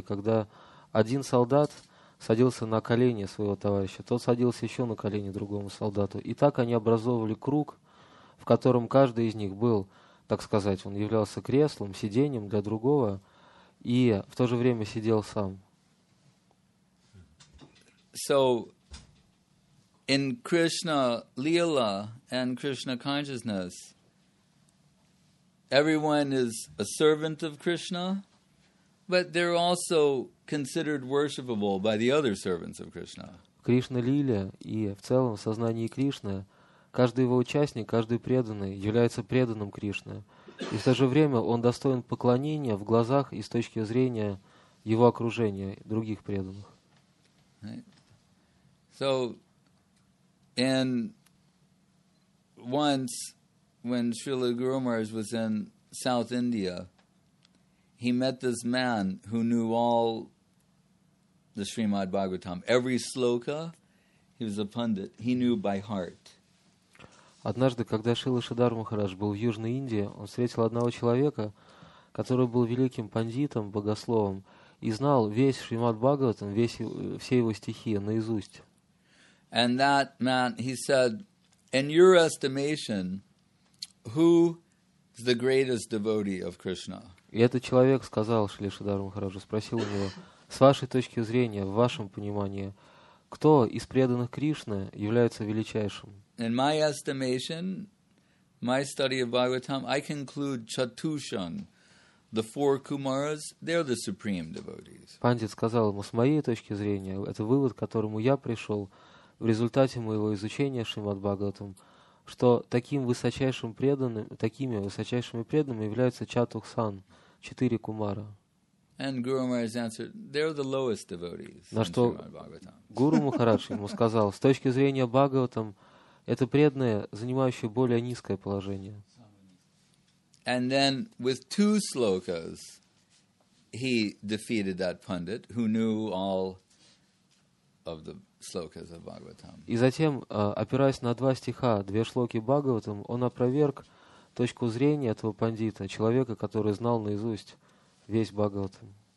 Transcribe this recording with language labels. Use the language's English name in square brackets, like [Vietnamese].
[Russian] Когда один солдат садился на колени своего товарища, тот садился еще на колени другому солдату. И так они образовывали круг, в котором каждый из них был, так сказать, он являлся креслом, сиденьем для другого, и в то же время сидел сам. [English] So, in Krishna Lila and Krishna consciousness, everyone is a servant of Krishna, but they're also considered worshipable by the other servants of Krishna. [Russian] Krishna Lila и в целом в сознании Кришны каждый его участник, каждый преданный является преданным Кришны. И в то же время он достоин поклонения в глазах и с точки зрения его окружения, других преданных. [English] Right. So, and once when Srila Guru Maharaj was in South India, he met this man who knew all the Srimad Bhagavatam, every sloka, he was a pundit, he knew by heart. [Russian] Однажды, когда Шрила Шридхар Махарадж был в Южной Индии, он встретил одного человека, который был великим пандитом, богословом, и знал весь Шримад Бхагаватам, все его стихи наизусть. [English] And that man, he said, in your estimation, who is the greatest devotee of Krishna? [Russian] И этот человек сказал Шрила Шридхар Махараджу, спросил у него, с вашей точки зрения, в вашем понимании, кто из преданных Кришны является величайшим? [English] In my estimation, my study of Bhagavatam, I conclude Chatushan, the four Kumaras, they're the supreme devotees. [Russian] Пандит сказал ему, с моей точки зрения, это вывод, к которому я пришел в результате моего изучения Шримад Бхагаватам, что такими высочайшими преданными являются Чатухсан, четыре Кумара. [English] And Guru Maharaj answered, they're the lowest devotees. [Russian] На что Гуру Махарадж ему сказал, с точки зрения Бхагаватам, это преданные, занимающие более низкое положение. [English] And then with two slokas, he defeated that pundit who knew all of the slokas of Bhagavatam. [Russian] И затем, опираясь на два стиха, две шлоки Бхагаватам, он опроверг точку зрения этого пандита, человека, который знал наизусть весь Бхагаватам.